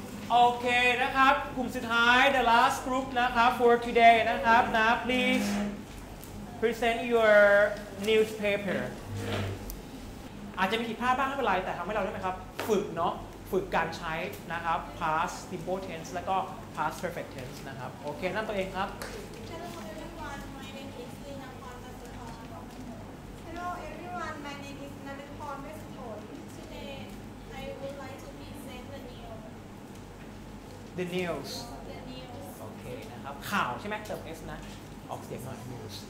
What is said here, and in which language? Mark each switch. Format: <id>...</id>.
<th>โอเคนะครับกลุ่มสุดท้าย</th> <en>the last group</en> <th>นะครับ</th> <en>for today</en> <th>นะครับนะ</th> <en>please present your newspaper</en> <th>อาจจะมีผิดพลาดบ้างไม่เป็นไรแต่ทำให้เราได้ไหมครับฝึกเนาะ ฝึกการใช้นะครับ past simple tense แล้วก็ past perfect tense นะครับโอเคนั่นตัวเองครับ</th> <en>Hello everyone, my name is Nalipon Besuthon. Hello everyone, my name is Nalipon Besuthon. Today I would like to present the news. The news. The news.</en> <th>โอเคนะครับข่าวใช่ไหมเติม s นะออกเสียงหน่อย news.</th>